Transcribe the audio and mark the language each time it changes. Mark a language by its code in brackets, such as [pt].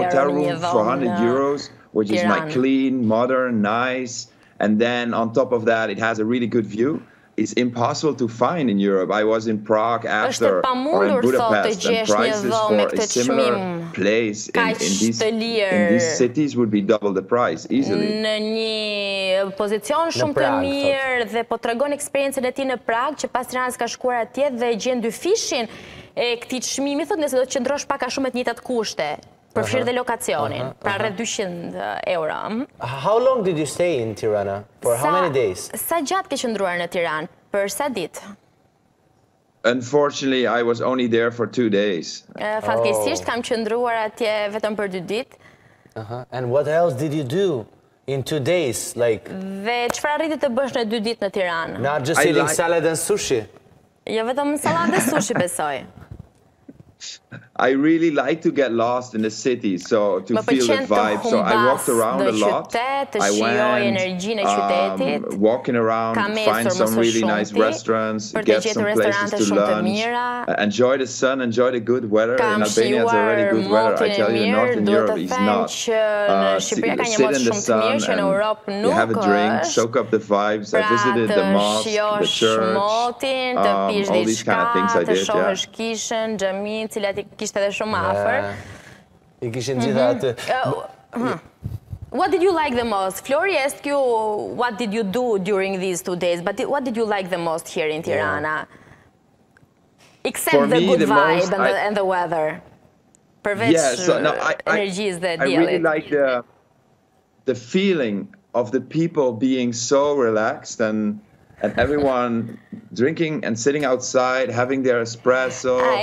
[en] hotel room for 100 euros, which is like clean, modern, nice, and then on top of that it has a really good view. It's impossible to find in Europe. I was in Prague after or in Budapest, and prices for a similar place in these cities would be double the price easily. [sq] Në një pozicion shumë të mirë dhe po tregon eksperiencën e tij në Prag që pas Tiranës ka shkuar atje dhe e gjen dy fishin e këtij çmimi, thotë nëse do të qëndrosh pak a shumë me të njëjtat kushte, përfshirë dhe lokacionin, pra rreth 200 euro. [en] How long did you stay in Tirana? For how many days? [sq] Sa gjatë ke qëndruar në Tiranë? Për sa ditë? [en] Unfortunately, I was only there for 2 days. [sq] Fatkeqësisht kam qëndruar atje vetëm për 2 ditë. [en] And what else did you do in 2 days? Like [sq] dhe çfarë arriti të bësh në 2 ditë në Tiranë? [en] Not just eating salad and sushi. [sq] Jo vetëm salad dhe sushi besoj. [en] I really like to get lost in the city, so to feel the vibe. So I walked around a lot. I went walking around, find some really nice restaurants, get some places to lunch, enjoy the sun, enjoy the good weather. In Albania, it's already good weather. I tell you, not in Europe, it's not. Sit in the sun and you have a drink, soak up the vibes. I visited the mosque, the church, all these kind of things I did. Yeah. [sq] Cilat i kishte edhe shumë afër. I kishin gjitha atë. [en] What did you like the most? Flori asked you what did you do during these 2 days, but what did you like the most here in Tirana? Except the good vibe and the weather. [sq] Përveç energjisë dhe djelit. [en] I really like the feeling of the people being so relaxed and everyone drinking and sitting outside, having their espresso,